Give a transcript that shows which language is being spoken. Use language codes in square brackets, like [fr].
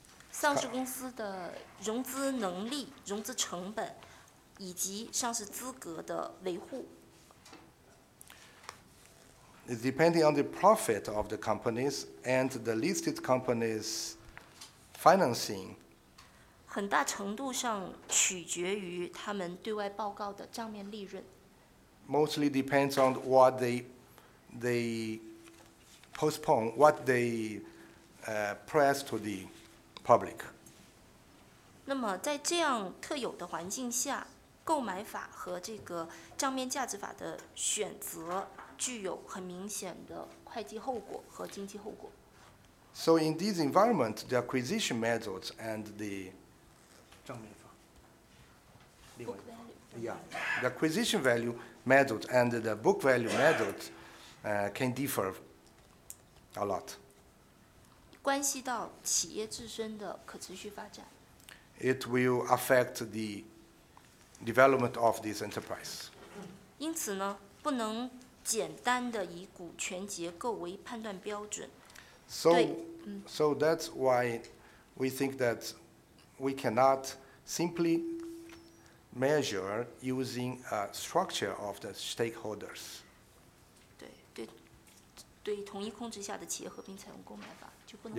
[zh] 上市公司的融资能力、融资成本以及上市资格的维护。 [en] It's depending on the profit of the companies and the listed companies' financing. [zh] 很大程度上取决于他们对外报告的账面利润。 [en] Mostly depends on what they postpone, what they press to the public. [zh] 那么在这样特有的环境下，购买法和这个账面价值法的选择具有很明显的会计后果和经济后果。 [en] So in this environment, the acquisition methods and the [zh] 账面法 [en] Yeah, the acquisition value methods and the book value methods can differ a lot. [zh] 关系到企业自身的可持续发展。 [en] It will affect the development of this enterprise. [zh] 因此呢，不能简单的以股权结构为判断标准。 [en] So that's why we think that we cannot simply measure using a structure of the stakeholders. [zh] 对对对，同一控制下的企业合并采用公买法，就不能